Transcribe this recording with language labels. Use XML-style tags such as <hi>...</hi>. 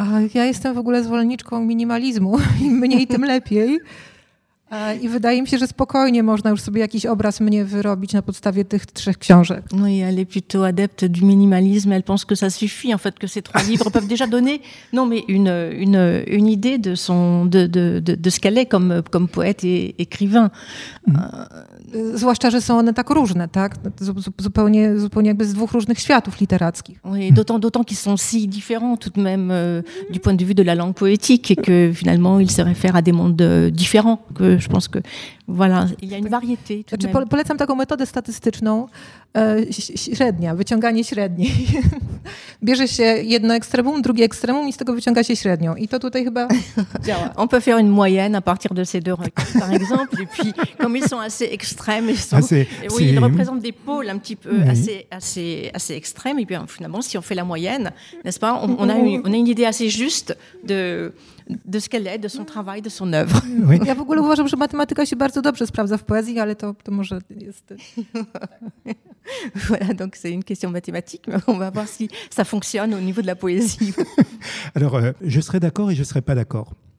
<pl>A já jsem v ogóle zvolenníčkou minimalismu, im mniej, tym lepiej. I wydaje mi się, że spokojnie można już sobie jakiś obraz mnie wyrobić na podstawie tych trzech książek.</pl> <fr>No i elle est plutôt adepte du minimalisme, elle pense que ça suffit en fait, que ces trois livres peuvent déjà donner non mais une idée de son de ce qu'elle est comme poète et écrivain.</fr> <pl>Zwłaszcza, że są one tak różne, tak? Zupełnie jakby z dwóch różnych światów literackich.</pl> <fr>Oui, d'autant qu'ils sont si différents tout de même du point de vue de la langue poétique et que finalement ils se réfèrent à des mondes différents. Je pense que voilà, il y a une variété.</fr> <pl>Znaczy, polecam taką metodę statystyczną, średnia, wyciąganie średniej. Bierze się jedno ekstremum, drugie ekstremum i z tego wyciąga się średnią. I to tutaj chyba działa.</pl> <fr>On peut faire une moyenne à partir de ces deux recueils, par exemple. Et puis, comme ils sont assez extrêmes, ils représentent des pôles un petit peu assez extrêmes. Et bien, finalement, si on fait la moyenne, n'est-ce pas, on a une idée assez juste de ce qu'elle est, de son travail, de son œuvre. Oui.</fr> <pl>Ja w ogóle uważam, że matematyka się bardzo dobrze sprawdza w poezji, ale to może jest...</pl> <fr>Voilà, donc c'est une question mathématique, mais on va voir si ça fonctionne au niveau de la poésie. Alors, je serais d'accord et je ne serais pas d'accord.</fr>